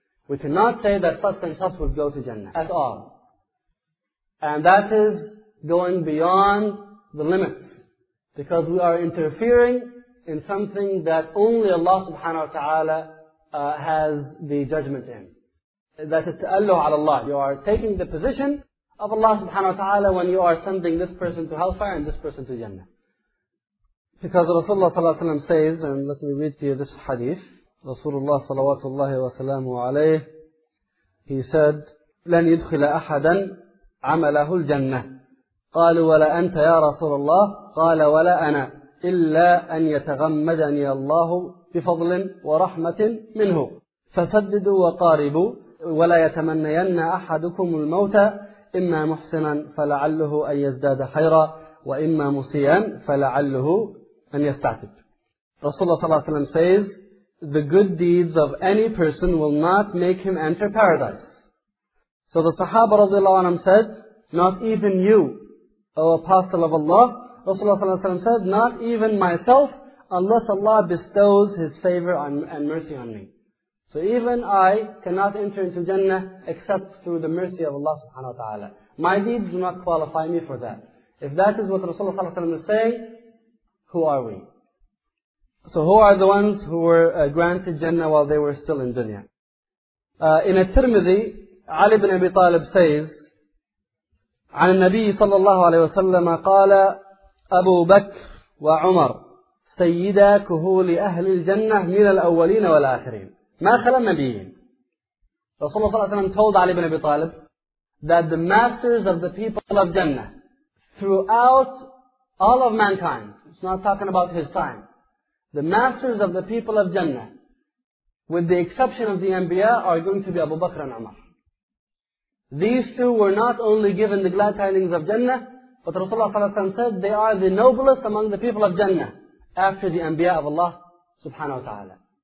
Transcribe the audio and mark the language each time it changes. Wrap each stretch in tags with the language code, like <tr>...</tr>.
<en>We cannot say that such and such would go to Jannah at all. And that is going beyond the limits, because we are interfering in something that only Allah subhanahu wa ta'ala has the judgment in. That is ta'alluh ala Allah. You are taking the position of Allah subhanahu wa ta'ala when you are sending this person to hellfire and this person to Jannah. Because Rasulullah sallallahu alayhi wa sallam says, and let me read to you this hadith, Rasulullah sallallahu wa sallamu alayhi, he said,</en> <ar>لَنْ يُدْخِلَ أَحَدًا عَمَلَهُ الْجَنَّةِ قَالُوا وَلَا أَنْتَ يَا رَسُولَ اللَّهِ قَالَ وَلَا أَنَا إِلَّا أَنْ يَتَغَمَّدَنِيَ اللَّهُ بِفَضْلٍ وَرَحْمَةٍ مِنْهُ فَسَدِّدُوا وَقَارِبُوا وَلَا يَتَمَنَّيَنَّ أَحَدُكُمُ الْمَوْتَ إِمَّا مُحْسِنًا فَلَعَلُّهُ أَنْ يَزْدَادَ خَيْرًا وَإِمَّا مُسِيًّا فَلَعَلُّهُ أَنْ يَسْتَعْتِبْ.</ar> <en>Rasulullah sallallahu alayhi wa sallam says, the good deeds of any person will not make him enter paradise. So the Sahaba radiallahu anhum said, not even you, O Apostle of Allah. Rasulullah sallallahu alayhi wa sallam said, not even myself, unless Allah bestows His favor and mercy on me. So even I cannot enter into Jannah except through the mercy of Allah subhanahu wa ta'ala. My deeds do not qualify me for that. If that is what Rasulullah sallallahu alayhi wa sallam is saying, who are we? So who are the ones who were granted Jannah while they were still in dunya? In At-Tirmidhi, Ali ibn Abi Talib says,</en> <ar>عن النبي صلى الله عليه وسلم قال أبو بكر وعمر سيدا كهول أهل الجنة من الأولين والآخرين. مَاخَلَ النَّبِيِّينَ.</ar> <en>Rasulullah sallallahu alayhi wa sallam told Ali ibn Abi Talib that the masters of the people of Jannah throughout all of mankind, it's not talking about his time, the masters of the people of Jannah with the exception of the Anbiya, are going to be Abu Bakr and Umar. These two were not only given the glad tidings of Jannah, but Rasulullah said they are the noblest among the people of Jannah after the Anbiya of Allah subhanahu wa ta'ala.</en>